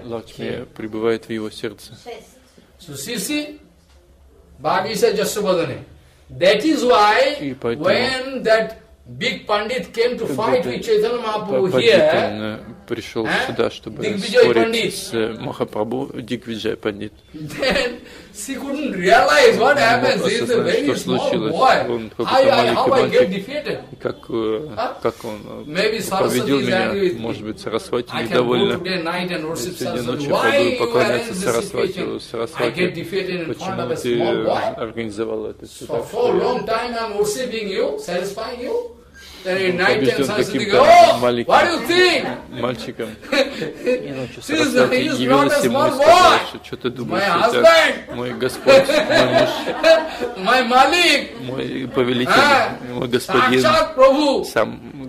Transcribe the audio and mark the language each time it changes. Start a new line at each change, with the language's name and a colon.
Russian: Лакшми пребывает в его сердце.
English: So see, Bhagi said Jasubadane. That is why when that big pandit came to fight with Chaitanya Mahaprabhu here,
Russian: пришел сюда, чтобы спорить с Махапрабху, Дигвиджай пандит.
English: Then he couldn't realize what happens. He is a very small
Russian: случилось.
English: Boy.
Russian: Он какой-то маленький мальчик. Как он победил меня? Может быть, Сарасвати недоволен. Сегодня ночью пойду поклоняться Сарасвати. Сарасвати, почему ты организовал это?
English: So for a long time I'm worshiping you, satisfying you.
Russian: Побежден каким-то маленьким мальчиком. Сарасвати явилась ему и сказала, что что ты думаешь, это мой господь, мой муж, мой малик, мой повелитель, мой господин, сам